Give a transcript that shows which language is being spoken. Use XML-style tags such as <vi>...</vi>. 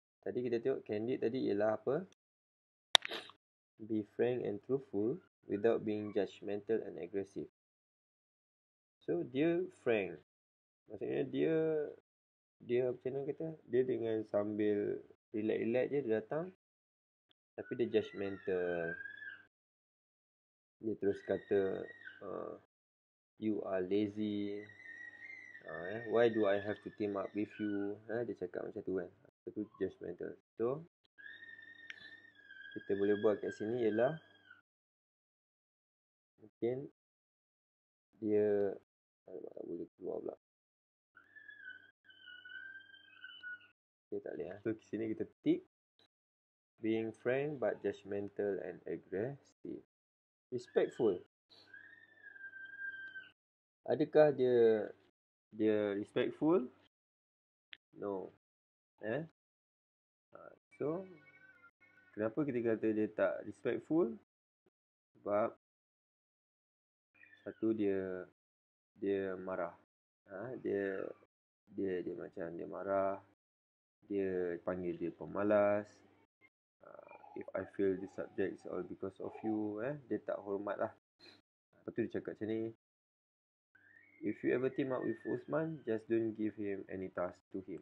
<ms>Tadi kita tengok candid tadi ialah apa?</ms> <en>Be frank and truthful without being judgmental and aggressive.</en> <ms>So, dia frank. Maksudnya dia macam mana kata? Dia dengan sambil relax-relax je dia datang. Tapi dia judgmental. Dia terus kata,</ms> <en>you are lazy. Why do I have to team up with you?</en> <ms>Dia cakap macam tu kan. Itu judgmental. So, kita boleh buat kat sini ialah mungkin dia tak boleh keluar pula. Okay, tak boleh.</ms> <en>So,</en> <ms>kat sini kita</ms> <en>tick being frank but judgmental and aggressive. Respectful.</en> <ms>Adakah dia respectful?</ms> <en>No.</en> <ms>So, kenapa kita kata dia tak respectful? Sebab satu dia marah. Dia macam dia marah. Dia panggil dia pemalas.</ms> <en>If I fail the subject, it's all because of you.</en> <ms>Dia tak hormat lah. Lepas tu dia cakap macam ni.</ms> <en>If you ever team up with Usman, just don't give him any task to him.</en>